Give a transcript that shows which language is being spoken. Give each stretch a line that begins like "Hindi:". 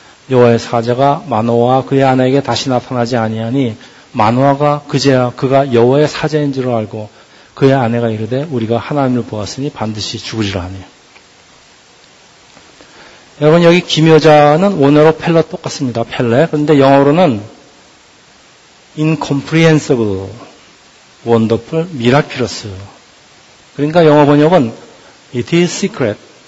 Korean: 여호와의 사자가 마노아와 그의 아내에게 다시 나타나지 아니하니 마노아가 그제야 그가 여호와의 사자인 줄 알고 그의 아내가 이르되 우리가 하나님을 보았으니 반드시 죽으리라 하니. 여러분, 여기 기묘자는 원어로 펠레 똑같습니다. 펠레. 그런데 영어로는 incomprehensible, wonderful, miraculous. 그러니까 영어 번역은
English: It is secret.